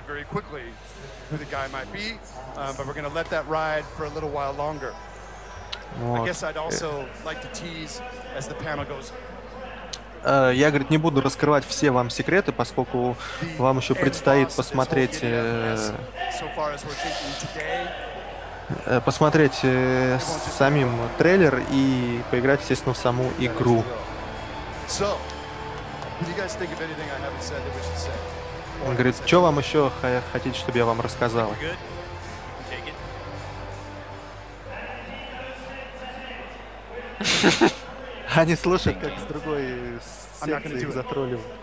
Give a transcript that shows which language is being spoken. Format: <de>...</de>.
<en>Quickly, who the guy might be, but we're gonna let that ride for a little while longer.</en> <ru>Вот.</ru> <en>I guess I'd also like to tease as the panel goes.</en> <ru>Я, говорит, не буду раскрывать все вам секреты, поскольку вам еще предстоит посмотреть самим трейлер и поиграть, естественно, в саму игру.</ru> <en>So, do you guys think of anything I haven't said that we should say?</en> <ru>Он говорит, что вам еще хотите, чтобы я вам рассказал? Они слушают, как с другой секции их затролливают.</ru>